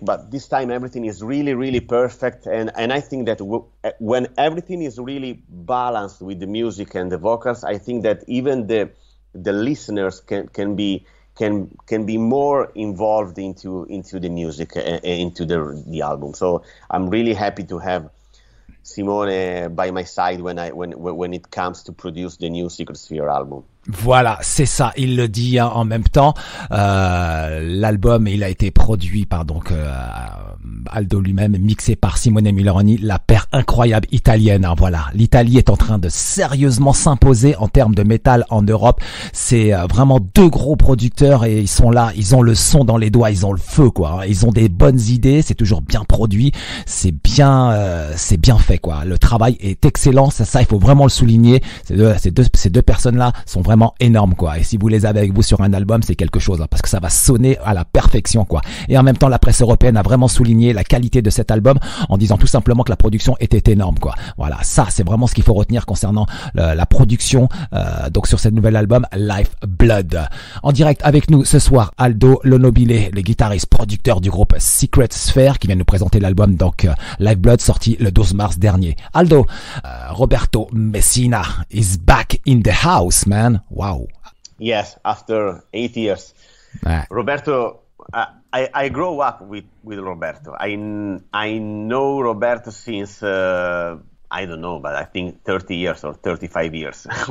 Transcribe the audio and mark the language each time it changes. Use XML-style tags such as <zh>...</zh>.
<en>But this time everything is really, really perfect. And I think that when everything is really balanced with the music and the vocals, I think that even the listeners can be more involved into the music and into the album. So I'm really happy to have Simone by my side when it comes to produce the new Secret Sphere album.</en> <fr>Voilà, c'est ça, il le dit hein, en même temps. L'album, il a été produit par donc Aldo lui-même, mixé par Simone Mularoni, la paire incroyable italienne. Hein, voilà, l'Italie est en train de sérieusement s'imposer en termes de métal en Europe. C'est vraiment deux gros producteurs et ils sont là, ils ont le son dans les doigts, ils ont le feu quoi. Hein, ils ont des bonnes idées, c'est toujours bien produit, c'est bien fait quoi. Le travail est excellent, ça il faut vraiment le souligner. Ces deux personnes-là sont vraiment énorme quoi, et si vous les avez avec vous sur un album, c'est quelque chose hein, parce que ça va sonner à la perfection quoi. Et en même temps, la presse européenne a vraiment souligné la qualité de cet album en disant tout simplement que la production était énorme quoi. Voilà, ça c'est vraiment ce qu'il faut retenir concernant la production donc sur ce nouvel album LifeBlood. En direct avec nous ce soir, Aldo Lonobile, le guitariste producteur du groupe Secret Sphere, qui vient nous présenter l'album donc LifeBlood, sorti le 12 mars dernier.</fr> <en>Aldo, Roberto Messina is back in the house, man. Wow. Yes, after 8 years. Roberto, I grew up with Roberto. I know Roberto since, I don't know, but I think 30 years or 35 years.</en>